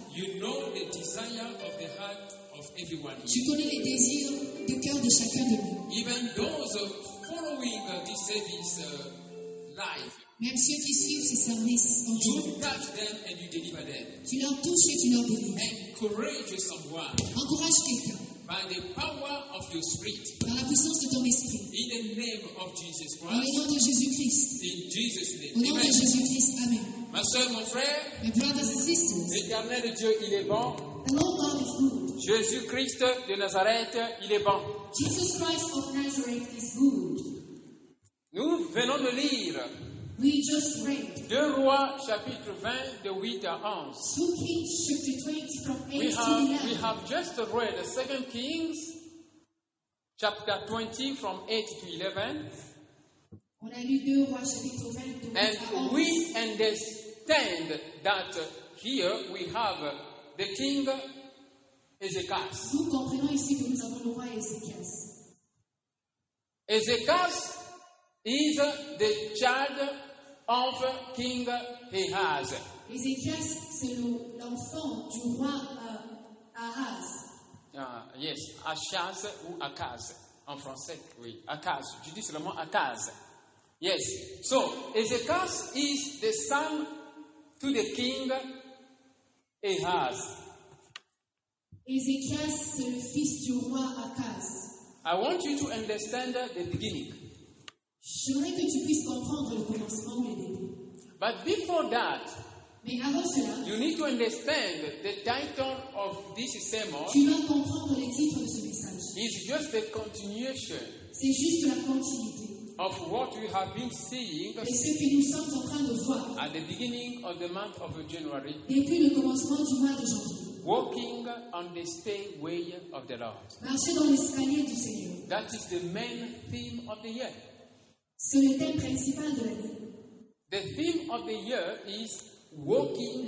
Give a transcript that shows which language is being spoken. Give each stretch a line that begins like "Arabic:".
English: You know the desire of the heart of everyone.
French: Tu connais les désirs du cœur de chacun de nous.
English: Even those following this service live.
French: Même ceux qui suivent ce service en
English: you touch them and you deliver them.
French: Tu leur touches et tu leur délivres.
English: Encourage someone.
French: Encourage quelqu'un.
English: By the power of your spirit.
French: Par la puissance de ton esprit.
English: In the name of Jesus Christ.
French: Au nom de Jésus Christ.
English: In Jesus name.
French: Au nom
English: Amen.
French: De Jésus Christ. Amen. Ma soeur, mon frère.
English: My brothers and sisters.
French: L'éternel Dieu, il est bon.
English: The Lord God is good.
French: Jésus Christ de Nazareth, il est bon.
English: Jesus Christ of Nazareth is good.
French: Nous venons de lire.
English: We just read.
French: 2 Rois, chapitre 20, de 8 à 11.
English: 2 Kings, chapter 20, from 8 we to have, 11. We have just read 2 Kings, chapter 20, from 8 to 11.
French: On a lu 2 Rois, chapitre 20, de 8
English: and
French: à 11.
English: We understand that here we have the king Ezekias.
French: Nous comprenons ici que nous avons le roi Ezekias.
English: Ezekias is the child of King Ahaz.
French: Ézéchias, c'est l'enfant du roi Ahaz.
English: Yes,
French: Ahaz ou Akaz en français. Oui, Akaz. Je dis seulement Akaz.
English: Yes. So, Ezekias is the son to the king Ahaz.
French: Ezekias, c'est le fils du roi Akaz.
English: I want you to understand the beginning.
French: Je voudrais que tu puisses comprendre le commencement et le début.
English: But before that,
French: mais avant cela,
English: you need to understand the title of this sermon.
French: Tu dois comprendre le titre de ce message.
English: It's just the continuation.
French: C'est juste la continuité.
English: Of what we have been seeing,
French: et ce que nous sommes en train de voir,
English: at the beginning of the month of January,
French: depuis le commencement du mois de janvier,
English: walking on the stairway of the Lord,
French: marcher dans l'escalier du Seigneur,
English: that is the main theme of the year.
French: C'est le thème principal de l'année.
English: The theme of the year is walking.